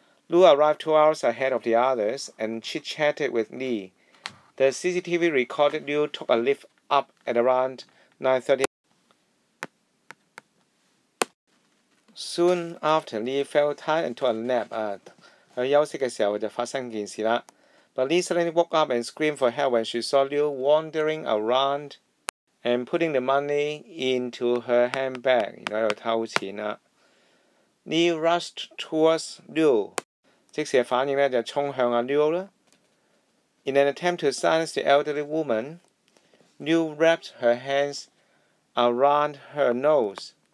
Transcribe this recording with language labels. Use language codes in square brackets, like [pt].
[en] Lu arrived 2 hours ahead of the others and chit-chatted with Lee. The CCTV recorded Lu took a lift up at around 9:30. Soon after, Lee fell tired and took a nap. [yue] 他休息的時候就發生件事了。 [en] But Lee suddenly woke up and screamed for help when she saw Lu wandering around and putting the money into her handbag. [yue] 原來又偷錢了。 [en] Lee rushed towards Lu. [yue] 即時的反應就衝向 Liu 啦。 [en] In an attempt to silence the elderly woman, Liu wrapped her hands around her nose.